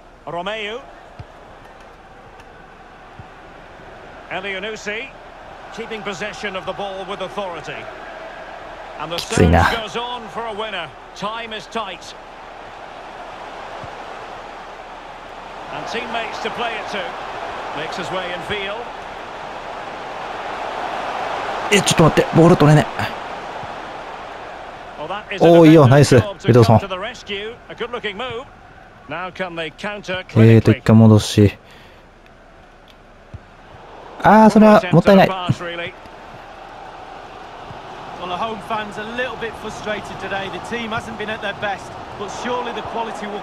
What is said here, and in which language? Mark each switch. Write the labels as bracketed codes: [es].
[en] ロメウエリオヌシ keeping possession of the ball with authority. And the search goes on for a winner. Time is tight. And teammates to play it to. Makes his way in field. [ja] ちょっと待って、ボール取れねえ。おー、いいよ、ナイス、ウィドソン。一回戻し。あー、それはもったいない。 [en] Well, the home fans are a little bit frustrated today. The team hasn't been at their best, but surely the quality will